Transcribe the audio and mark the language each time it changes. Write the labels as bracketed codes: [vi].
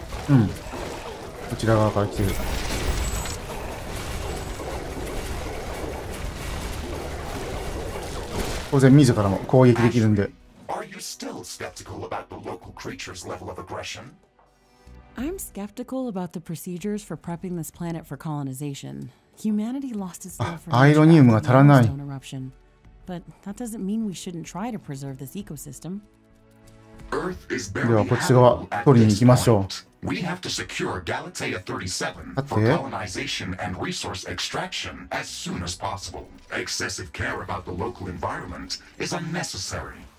[ja] うん。こちら側から来てる。当然、自らも攻撃できるんで。 [en] Are you still skeptical about the local creature's level of aggression? I'm skeptical about the procedures for prepping this planet for colonization. Humanity lost its love for the eruption. But that doesn't mean we shouldn't try to preserve this ecosystem. [ja] ではこっち側取りに行きましょう。 [en] We have to secure Galatea 37 for colonization and resource extraction as soon as possible. Excessive care about the local environment is unnecessary.